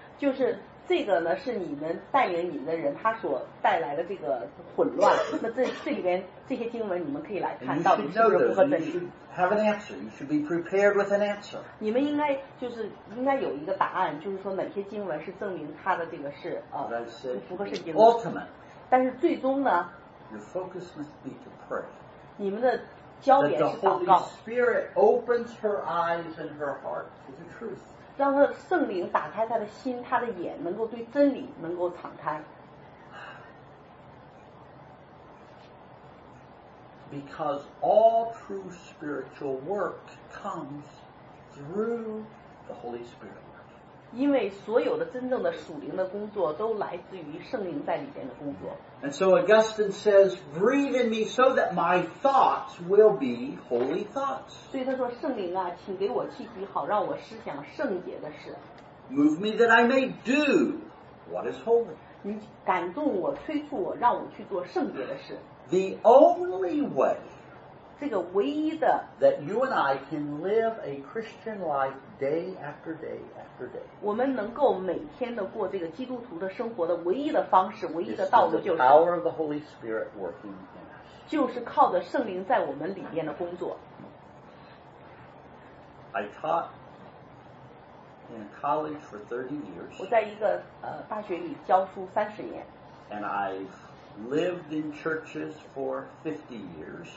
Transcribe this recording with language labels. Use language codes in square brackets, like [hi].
[zh] 就是这个呢是你们带领你们的人他所带来的这个混乱那这里边这些经文你们可以来看到底是不是符合真理。 [en] Have an answer. You should be prepared with an answer. [zh] 你们应该就是应该有一个答案，就是说哪些经文是证明他的这个是符合圣经的。 [en] Ultimate. [zh] 但是最终呢 [en] ？Your focus must be to pray. [zh] 你们的焦点是祷告。 [en] That the Holy Spirit opens her eyes and her heart to the truth. [zh] 让他圣灵打开他的心，他的眼能够对真理能够敞开。 [en] Because all true spiritual work comes through the Holy Spirit. [zh] 因为所有的真正的属灵的工作都来自于圣灵在里边的工作。 [en] And so Augustine says, "Breathe in me, so that my thoughts will be holy thoughts." [zh] 所以他说，圣灵啊，请给我气息，好让我思想圣洁的事。 [en] Move me that I may do what is holy. [zh] 你感动我，催促我，让我去做圣洁的事。 [en] The only way [zh] 这个唯一的 [en] that you and I can live a Christian life day after day after day [zh] 我们能够每天的过这个基督徒的生活的唯一的方式唯一的道路就是 [en] the power of the Holy Spirit working in us [zh] 就是靠着圣灵在我们里面的工作。 [en] I taught in college for 30 years [zh] 我在一个大学里教书30年 [en] and I lived in churches for 50 years.